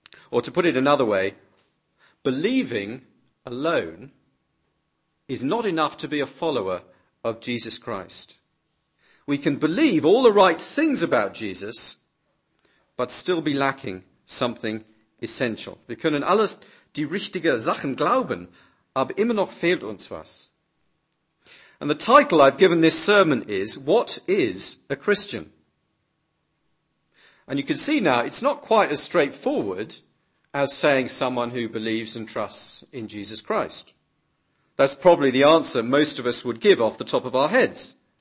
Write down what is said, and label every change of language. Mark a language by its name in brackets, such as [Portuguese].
[English] Or to put it another way, believing alone is not enough to be a follower of Jesus Christ. We can believe all the right things about Jesus, but still be lacking something essential. [German] Wir können alles die richtigen Sachen glauben, aber immer noch fehlt uns was. [English] And the title I've given this sermon is, What is a Christian? And you can see now, it's not quite as straightforward as saying someone who believes and trusts in Jesus Christ. That's probably the answer most of us would give off the top of our heads.